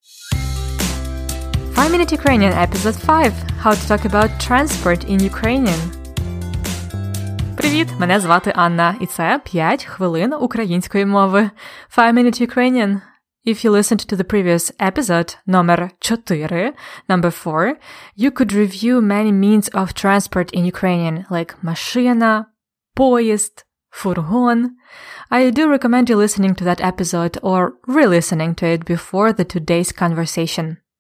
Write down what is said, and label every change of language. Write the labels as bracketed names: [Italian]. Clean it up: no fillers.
[English] 5 Minute Ukrainian Episode 5 – How to talk about transport in Ukrainian. [Ukrainian] Привіт, мене звати Анна, і це 5 хвилин української мови. [English] 5 Minute Ukrainian. If you listened to the previous episode, номер 4, number 4, you could review many means of transport in Ukrainian, like [Ukrainian] машина, поїзд, фургон. [English] I do recommend you listening to that episode or re-listening to it before the today's conversation.